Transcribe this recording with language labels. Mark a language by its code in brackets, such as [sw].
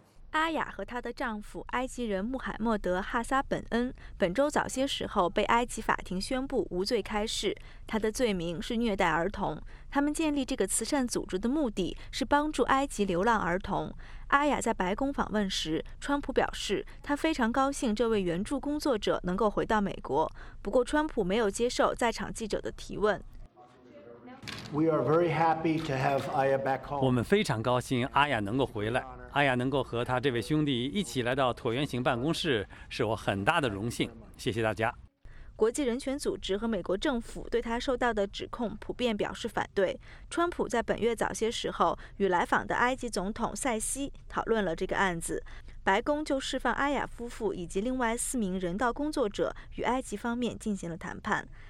[zh] 阿雅和她的丈夫埃及人穆罕默德·哈萨本恩本周早些时候被埃及法庭宣布无罪开释，他的罪名是虐待儿童。他们建立这个慈善组织的目的是帮助埃及流浪儿童。阿雅在白宫访问时，川普表示他非常高兴这位援助工作者能够回到美国，不过川普没有接受在场记者的提问。 [en] We are very happy to have Aya back home. [zh] 我们非常高兴阿雅能够回来，阿雅能够和他这位兄弟一起来到椭圆形办公室，是我很大的荣幸，谢谢大家。国际人权组织和美国政府对他受到的指控普遍表示反对。川普在本月早些时候与来访的埃及总统塞西讨论了这个案子，白宫就释放阿雅夫妇以及另外4名人道工作者与埃及方面进行了谈判。